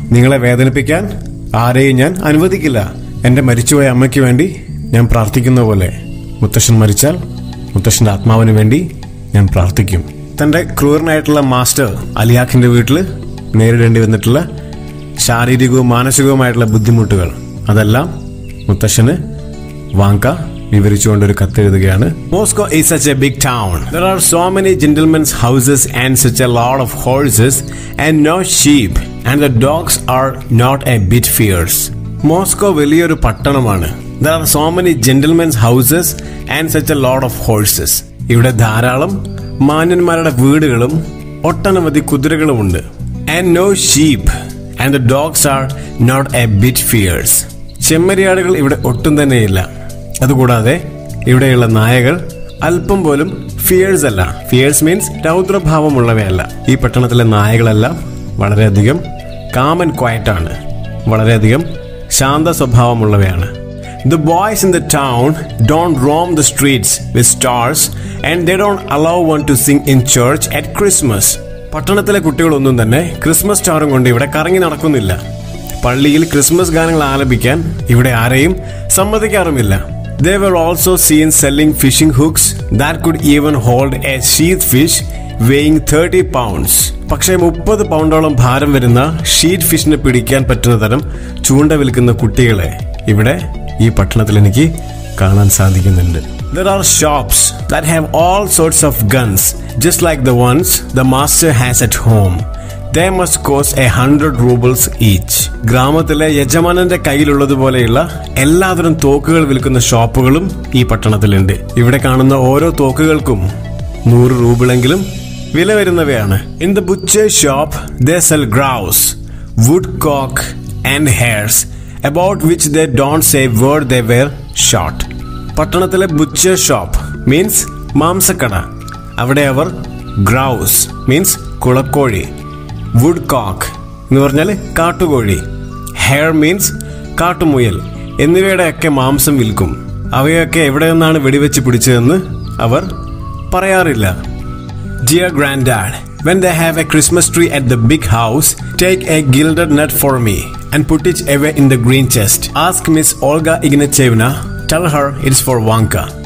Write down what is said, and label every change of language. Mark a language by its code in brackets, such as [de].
[ml] നിങ്ങളെ വേദനിപ്പിക്കാൻ ആരെയും ഞാൻ അനുവദിക്കില്ല. എൻ്റെ മരിച്ചുപോയ അമ്മയ്ക്ക് വേണ്ടി ഞാൻ പ്രാർത്ഥിക്കുന്ന പോലെ മുത്തശ്ശൻ മരിച്ചാൽ മുത്തശ്ശൻ്റെ ആത്മാവിന് വേണ്ടി ഞാൻ പ്രാർത്ഥിക്കും. തൻ്റെ ക്രൂരനായിട്ടുള്ള മാസ്റ്റർ അലിയാഖിൻ്റെ വീട്ടിൽ നേരിടേണ്ടി വന്നിട്ടുള്ള ശാരീരികവും മാനസികവുമായിട്ടുള്ള ബുദ്ധിമുട്ടുകൾ അതെല്ലാം മുത്തശ്ശന് വാങ്ക വിവരിച്ചുകൊണ്ട് ഒരു കത്തെഴുതുകയാണ്. [en] Moscow is such a big town. There are so many gentlemen's houses and such a lot of horses and no sheep and the dogs are not a bit fierce. [ml] Moscow വലിയൊരു പട്ടണമാണ്. [en] There are so many gentlemen's houses and such a lot of horses. [ml] ഇവിടെ ധാരാളം മാന്യന്മാരുടെ വീടുകളും ഒട്ടനവധി കുതിരകളും ഉണ്ട്. [en] And no sheep and the dogs are not a bit fierce. [ml] ചെമ്മരിയാടുകൾ ഇവിടെ ഒട്ടും തന്നെയില്ല. അതുകൂടാതെ ഇവിടെയുള്ള നായകൾ അല്പം പോലും ഫിയേഴ്സ് അല്ല. [en] fierce means [ml] രൗദ്രഭാവമുള്ളവയല്ല. ഈ പട്ടണത്തിലെ നായകളെല്ലാം വളരെയധികം [en] calm and quiet [ml] ആണ്, വളരെയധികം Shantha സ്വഭാവമുള്ളവയാണ്. [en] The boys in the town don't roam the streets with stars and they don't allow one to sing in church at Christmas. [ml] പട്ടണത്തിലെ കുട്ടികളൊന്നും തന്നെ ക്രിസ്മസ് സ്റ്റാറും കൊണ്ട് ഇവിടെ കറങ്ങി നടക്കുന്നില്ല. പള്ളിയിൽ ക്രിസ്മസ് ഗാനങ്ങൾ ആലപിക്കാൻ ഇവിടെ ആരെയും സമ്മതിക്കാറുമില്ല. [en] They were also seen selling fishing hooks that could even hold a sheath fish weighing 30 pounds. [ml] പക്ഷേ 30 പൗണ്ടോളം ഭാരം വരുന്ന ഷീറ്റ് ഫിഷിനെ പിടിക്കാൻ പറ്റുന്ന തരം ചൂണ്ട വിൽക്കുന്ന കുട്ടികളെ ഇവിടെ ഈ പട്ടണത്തിൽ എനിക്ക് കാണാൻ സാധിക്കുന്നുണ്ട്. [en] There are shops that have all sorts of guns, just like the ones the master has at home. They must cost 100 rubles each. [ml] ഗ്രാമത്തിലെ യജമാനന്റെ കയ്യിലുള്ളതുപോലെയുള്ള എല്ലാതരം തോക്കുകൾ വിൽക്കുന്ന ഷോപ്പുകളും ഈ പട്ടണത്തിലുണ്ട്. ഇവിടെ കാണുന്ന ഓരോ തോക്കുകൾക്കും 100 rubles വില വരുന്നവയാണ്. [en] In the butcher's shop, they sell grouse, woodcock and hares, about which they don't say word they were shot. [ml] പട്ടണത്തിലെ [en] butcher shop means [ml] മാംസക്കട. അവിടെ അവർ [en] grouse means [ml] കുളക്കോഴി, വുഡ്കോക്ക് എന്ന് പറഞ്ഞാൽ കാട്ടുകോഴി, [en] hare means [ml] കാട്ടുമുയൽ എന്നിവയുടെയൊക്കെ മാംസം വിൽക്കും. അവയൊക്കെ എവിടെ നിന്നാണ് വെടിവെച്ച് പിടിച്ചതെന്ന് അവർ പറയാറില്ല. [en] Dear grand dad, when they have a Christmas tree at the big house, take a gilded nut for me and put it away in the green chest. Ask Miss Olga Ignatyevna, tell her it's for vanka.